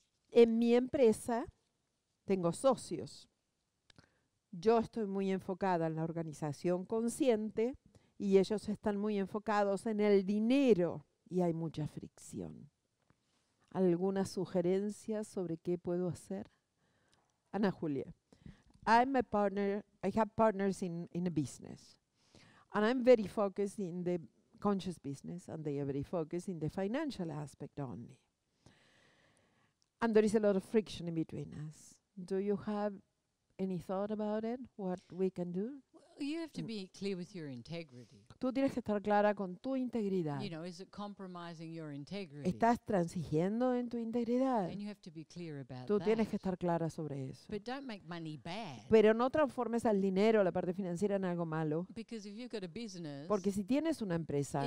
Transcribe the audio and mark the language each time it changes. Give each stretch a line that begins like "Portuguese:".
Spanish: En mi empresa tengo socios. Yo estoy muy enfocada en la organización consciente y ellos están muy enfocados en el dinero y hay mucha fricción. ¿Algunas sugerencias sobre qué puedo hacer?
English: Ana Julia, I'm a partner, I have partners in a business and I'm very focused in the conscious business and they are very focused in the financial aspect only. And there is a lot of friction in between us. Do you have any thought about it? What we can do? Well, you have to be clear with your integrity.
Spanish: Tú tienes que estar clara con tu integridad.
English: You know, is it compromising your integrity?
Spanish: ¿Estás transigiendo en tu integridad?
English: And you have to be clear about
Spanish: tú
English: that.
Spanish: Tienes que estar clara sobre eso.
English: But don't make money bad.
Spanish: Pero no transformes al dinero, la parte financiera, en algo malo.
English: Because if you've got a business,
Spanish: porque si tienes una empresa,